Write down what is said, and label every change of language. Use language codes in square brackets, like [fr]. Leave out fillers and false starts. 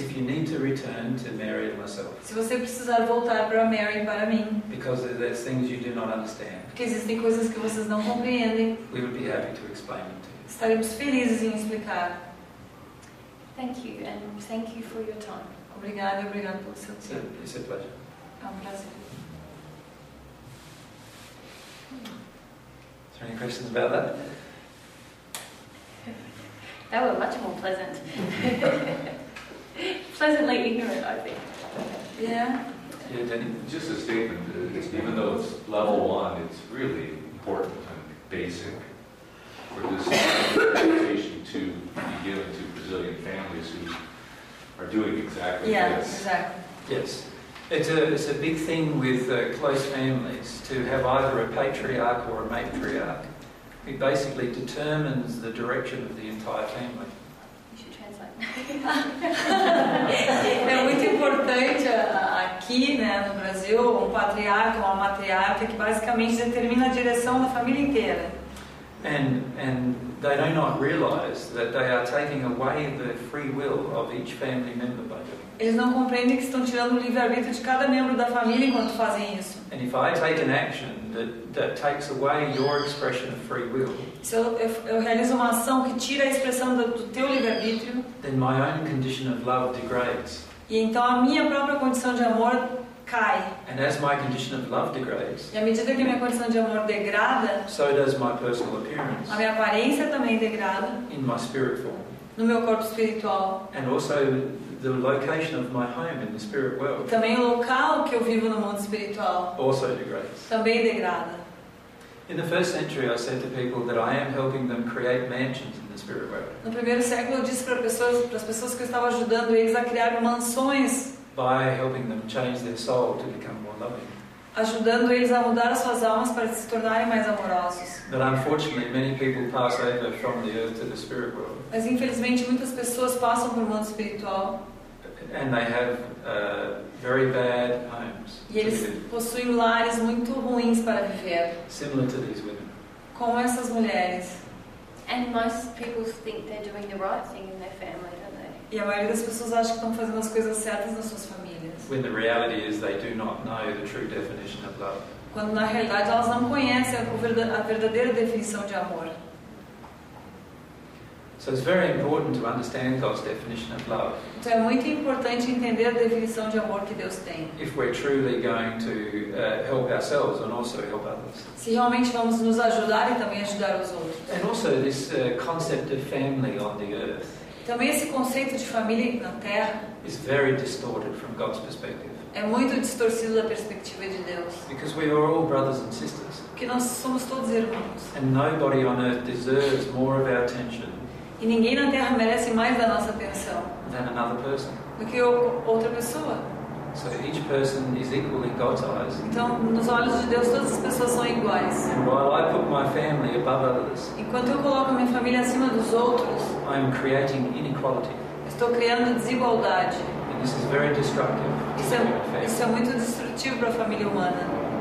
[en] If you need to return to Mary and myself. [pt] Se você precisar voltar para Mary e para mim. [en] Because there's things you do not understand. [pt] Porque existem coisas que vocês não compreendem. [en] We would be happy to explain them to you. [pt] Estaremos felizes em explicar. [en] Thank you and thank you for your time. [pt] Obrigada, obrigado pelo seu tempo. [en] It's a pleasure. [pt] É um prazer. [en] Is there any questions about that? That was much more pleasant. Pleasantly ignorant, I think. Yeah. Yeah, Danny. Just a statement. Even though it's level one, it's really important and basic for this presentation to be given to Brazilian families who are doing exactly this. Yeah, exactly. Yes. It's a big thing with close families to have either a patriarch or a matriarch. It basically determines the direction of the entire family. You should translate. [pt] É muito importante aqui, né, no Brasil, patriarca ou matriarca que basicamente determina a direção da família inteira. [en] And they do not realize that they are taking away the free will of each family member by doing. [pt] Eles não compreendem que estão tirando o livre-arbítrio de cada membro da família enquanto fazem isso. [en] And if I take an action that takes away your expression of free will. [pt] Se eu realizo uma ação que tira a expressão do teu livre-arbítrio, [en] then my own condition of love degrades. [pt] E então a minha própria condição de amor cai. [en] And as my condition of love degrades. [pt] E à medida que minha condição de amor degrada, [en] so does my personal appearance. [pt] A minha aparência também degrada. [en] In my spirit form. [pt] No meu corpo espiritual. [en] And also the location of my home in the spirit world. [pt] Também o local que eu vivo no mundo espiritual. [en] Also degrades. [pt] Também degrada. [en] In the first century, I said to people that I am helping them create mansions in the spirit world. [pt] No primeiro século, eu disse para as pessoas que eu estava ajudando eles a criar mansões. [en] By helping them change their soul to become more loving. [pt] Ajudando eles a mudar as suas almas para se tornarem mais amorosos. [en] But unfortunately, many people pass over from the earth to the spirit world. [pt] Mas infelizmente muitas pessoas passam por um mundo espiritual. [en] And they have very bad homes. [pt] E eles possuem lares muito ruins para viver. [en] Similar to these women. [pt] Como essas mulheres. [en] And most people think they're doing the right thing in their family, don't they? [pt] E a maioria das pessoas acha que estão fazendo as coisas certas nas suas famílias. [en] When the reality is they do not know the true definition of love. [pt] Quando na realidade elas não conhecem a verdadeira definição de amor. [en] So it's very important to understand God's definition of love. [pt] Então é muito importante entender a definição de amor que Deus tem. [en] If we're truly going to help ourselves and also help others. [pt] Se realmente vamos nos ajudar e também ajudar os outros. [en] And also this concept of family on the earth. [pt] Também esse conceito de família na Terra. [en] Is very distorted from God's perspective. [pt] É muito distorcido da perspectiva de Deus. [en] Because we are all brothers and sisters. [pt] Porque nós somos todos irmãos. [en] And nobody on earth deserves more of our attention. [pt] E ninguém na Terra merece mais da nossa atenção. [en] Than another person. [pt] Do que outra pessoa. [en] So each person is equal in God's eyes. [pt] Então, nos olhos de Deus, todas as pessoas são iguais. [en] And while I put my family above others, [pt] enquanto eu coloco minha família acima dos outros, [en] I'm creating inequality. [pt] Estou criando desigualdade. [en] And this is very destructive. [pt] Isso é muito destrutivo para a família humana.